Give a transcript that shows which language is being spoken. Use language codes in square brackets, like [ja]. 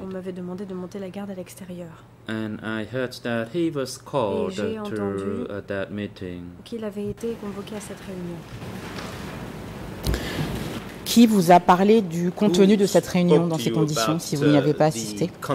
[fr] On m'avait demandé de monter la garde à l'extérieur. [en] And I heard that he was called to that meeting. [fr] Qu'il avait été convoqué à cette réunion. Qui vous a parlé du contenu de cette réunion dans ces conditions, si vous n'y avez pas assisté?